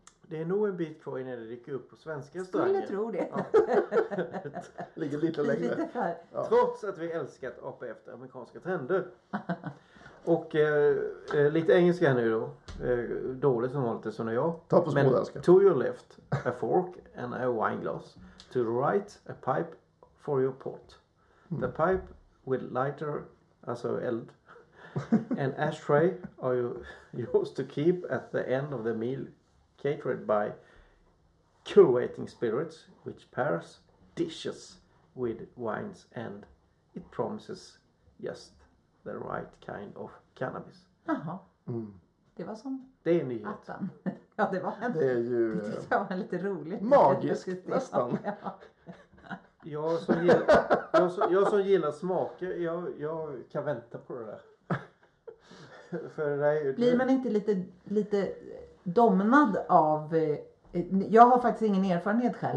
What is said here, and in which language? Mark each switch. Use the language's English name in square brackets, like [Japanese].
[Swedish] Det är nog en bit kvar innan det dyker upp på svenska stranger. Skulle stranger. Tro det. Ja. Ligger lite längre. Lite trots att vi älskat apa efter amerikanska trender. Och lite engelska här nu då. Dåligt som vanligt som jag. Ta på småländska. [English] To your left, a fork and a wine glass. To the right, a pipe for your pot. The pipe with lighter, [Swedish] alltså eld. [English] An ashtray are you used to keep at the end of the meal catered by curating spirits which pairs dishes with wines and it promises just the right kind of cannabis. [Swedish] Jaha. Mm. Det var som det är nyhet. Attan. Ja, det var en, det är ju det tyckte jag var lite roligt. Magiskt nästan. Ja. Jag som gillar smaker, jag kan vänta på det där. Blir man inte lite domnad av jag har faktiskt ingen erfarenhet själv.